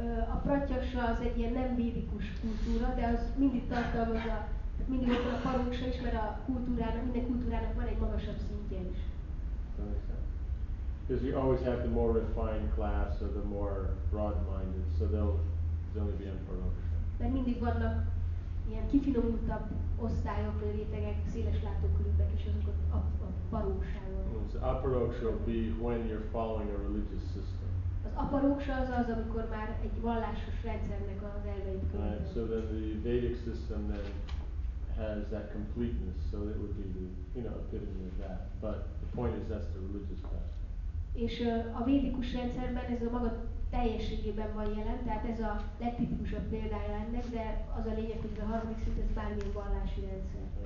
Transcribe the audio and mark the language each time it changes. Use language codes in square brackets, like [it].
[hu] A pratyaksa az egy ilyen nem védikus kultúra, de az mindig tartalmazza, mindig ott van a paroksa is, mert a kultúrának, minden kultúrának van egy magasabb szintje is. [en] Because you always have the more refined class or the more broad-minded, so they'll only be in paroksa. [hu] Mert mindig vannak ilyen kifinomultabb osztályok, rétegek, széles látókörűbbek, és azok a paroksával. [en] So aparoksa will be when you're following a religious system. [hu] Az aparóksa az, amikor már egy vallásos rendszernek az elveit követi. [en] Right, so that the Vedic system then has that completeness, so it would be the, you know, epitome of that. But the point is that's the religious path. [hu] És a védikus rendszerben ez a maga teljességében van jelen, tehát ez a legtipikusabb példája ennek, de az a lényeg, hogy a harmadik szint ez bármilyen vallási rendszer.